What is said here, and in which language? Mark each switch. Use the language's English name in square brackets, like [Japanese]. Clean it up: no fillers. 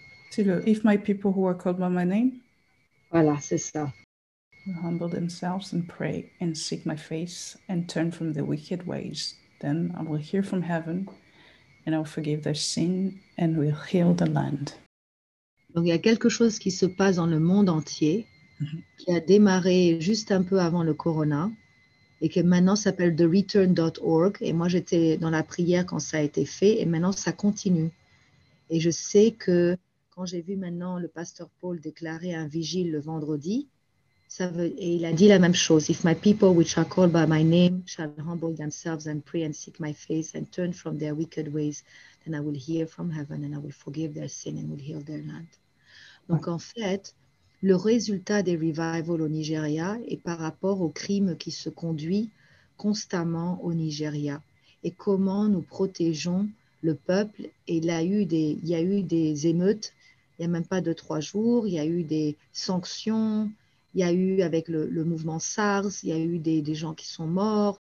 [French] C'est le [English] If my people who are called by my name [French] voilà, c'est ça. [English] humble themselves and pray and seek my face and turn from their wicked ways, then I will hear from heaven and I will forgive their sin and will heal the land. [French] Donc, il y a quelque chose qui se passe dans le monde entier qui a démarré juste un peu avant le corona. Et que maintenant ça s'appelle TheReturn.org. Et moi j'étais dans la prière quand ça a été fait. Et maintenant ça continue. Et je sais que quand j'ai vu maintenant le pasteur Paul déclarer un vigile le vendredi, et il a dit la même chose. [English] If my people which are called by my name shall humble themselves and pray and seek my face and turn from their wicked ways, then I will hear from heaven and I will forgive their sin and will heal their land. [French] Donc en fait, le résultat des revivals au Nigeria est par rapport au crime qui se conduit constamment au Nigeria et comment nous protégeons le peuple. Et il y a eu des émeutes, il n'y a même pas 2, 3 jours, il y a eu des sanctions, il y a eu avec le mouvement SARS, il y a eu des gens qui sont morts.